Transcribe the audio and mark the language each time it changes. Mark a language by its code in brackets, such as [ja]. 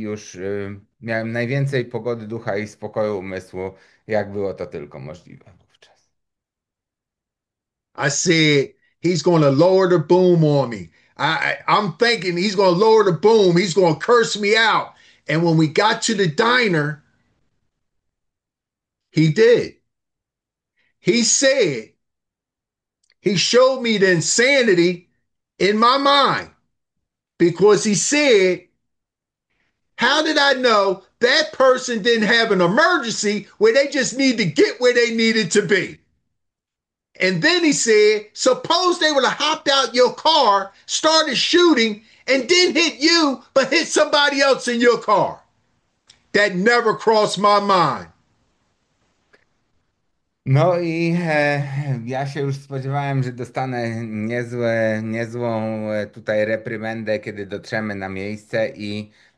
[pl] Już miałem najwięcej pogody ducha i spokoju umysłu, jak było to tylko możliwe. [en] I said he's going to lower the boom on me. I'm thinking he's going to lower the boom. He's going to curse me out. And when we got to the diner, he did. He said, he showed me the insanity in my mind because he said, how did I know that person didn't have an emergency where they just need to get where they needed to be? And then he said, suppose they would have hopped out your car, started shooting, and didn't hit you, but hit somebody else in your car. That never crossed my mind. [pl] No i ja się już spodziewałem, że dostanę niezłą tutaj reprymendę, kiedy dotrzemy na miejsce i